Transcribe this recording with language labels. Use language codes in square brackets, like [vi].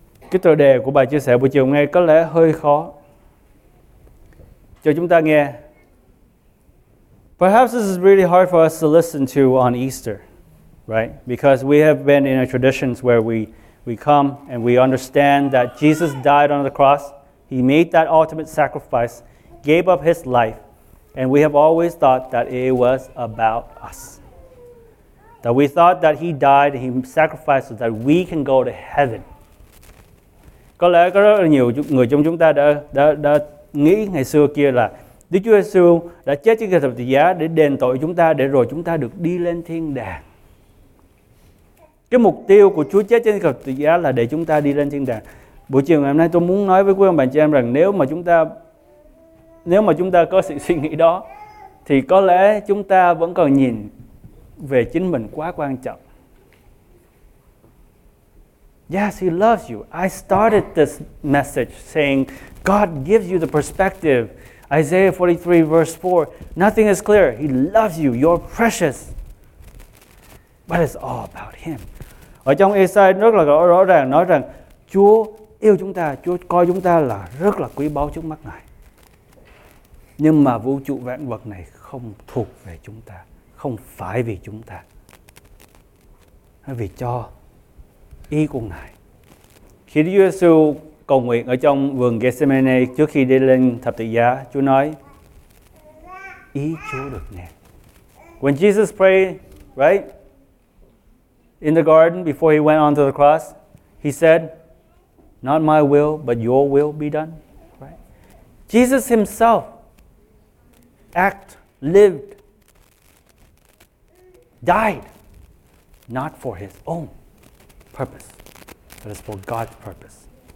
[vi] Cái tựa đề của bài chia sẻ buổi chiều hôm nay có lẽ hơi khó cho chúng ta nghe. [en] Perhaps this is really hard for us to listen to on Easter, right? Because we have been in a tradition where we come and we understand that Jesus died on the cross. He made that ultimate sacrifice, gave up his life, and we have always thought that it was about us. That we thought that he died and he sacrificed so that we can go to heaven. [vi] Có lẽ có rất là nhiều người trong chúng ta đã nghĩ ngày xưa kia là Đức Chúa Giêsu đã chết trên cây thập tự giá để đền tội chúng ta, để rồi chúng ta được đi lên thiên đàng. Cái mục tiêu của Chúa chết trên cây thập tự giá là để chúng ta đi lên thiên đàng. Buổi chiều ngày hôm nay tôi muốn nói với quý ông bà chị em rằng nếu mà chúng ta có sự suy nghĩ đó thì có lẽ chúng ta vẫn còn nhìn về chính mình quá quan trọng. [en] Yes, he loves you. I started this message saying God gives you the perspective. Isaiah 43 verse 4. Nothing is clear. He loves you. You're precious. But it's all about him. [vi] Ở trong Ê-sai rất là rõ ràng nói rằng Chúa yêu chúng ta, Chúa coi chúng ta là rất là quý báu trước mắt Ngài. Nhưng mà vũ trụ vạn vật này không thuộc về chúng ta, không phải vì chúng ta. Nó vì cho ý của Ngài. Khi Đức Chúa Giêsu cầu nguyện ở trong vườn Gethsemane trước khi đi lên thập tự giá, Chúa nói: ý Chúa được nên. [en] When Jesus prayed, right? In the garden before he went on to the cross, he said, not my will, but your will be done. Right? Jesus himself lived, died, not for his own purpose, but it's for God's purpose.